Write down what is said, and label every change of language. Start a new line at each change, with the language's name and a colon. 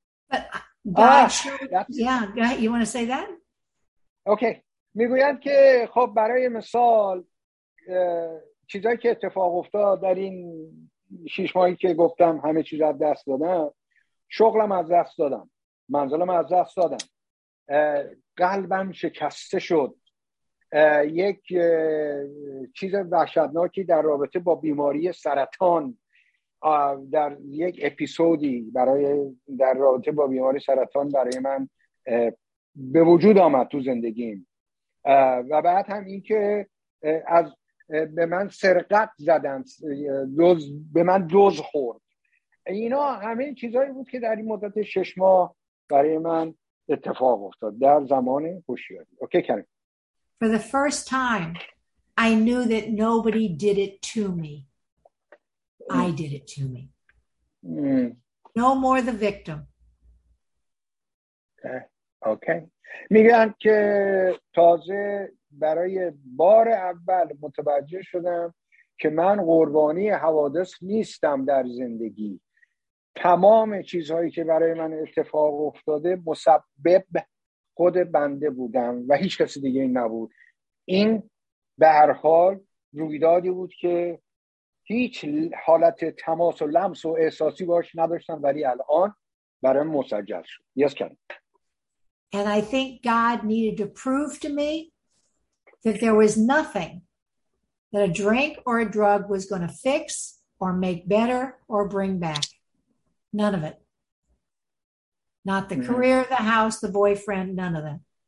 English: But God you want to say that? Okay okay.
Persian: میگویند که خب برای مثال چیزایی که اتفاق افتاد در این 6 ماهی که گفتم همه چیز از دست دادم، شغلم از دست دادم، منزلم از دست دادم، قلبم شکسته شد، یک چیز وحشتناکی در رابطه با بیماری سرطان در یک اپیزودی برای در رابطه با بیماری سرطان برای من به وجود آمد تو زندگیم و بعد هم این که از به من سرقت زدن، به من دوز خورد. اینا همه چیزهایی بود که در این مدت 6 ماه برای من اتفاق افتاد در زمان هوشیاری.
English: Okay Karim. For the first time I knew that nobody did it to me. I did it to me. No more the victim. Okay.
Persian: میگن که تازه برای بار اول متوجه شدم که من قربانی حوادث نیستم در زندگی. تمام چیزهایی که برای من اتفاق افتاده مسبب خود بنده بودم و هیچ کسی دیگه نبود. این به هر حال رویدادی بود که هیچ حالت تماس و لمس و احساسی باش نداشتم ولی الان برای من مسجل شد.
English: Yes کن. And I think God needed to prove to me that there was nothing that a drink or a drug was going to fix or make better or bring back. None of it. Not the mm-hmm. career, the house, the boyfriend, none of them.